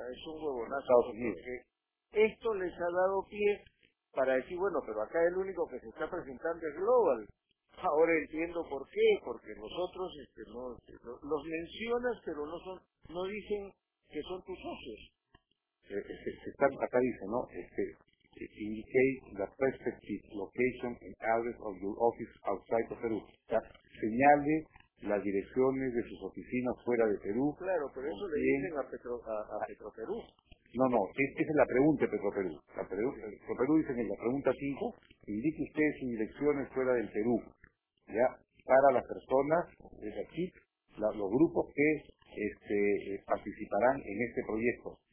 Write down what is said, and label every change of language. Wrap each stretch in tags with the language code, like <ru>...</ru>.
<es>Es un huevonazo. Esto les ha dado pie para decir, bueno, pero acá el único que se está presentando es Global. Ahora entiendo por qué, porque nosotros no, los mencionas, pero no dicen que son tus socios. acá dice, ¿no?</es> <en>Indicate the perspective location and address of your office outside of Perú.</en> <es>O sea, señale las direcciones de sus oficinas fuera de Perú. Claro, pero eso le dicen a Petroperú. No, no, esa es la pregunta de Petroperú. Petroperú dice en la pregunta 5, indique usted sus direcciones fuera del Perú. Ya, para las personas, es aquí, los grupos que participarán en este proyecto.</es>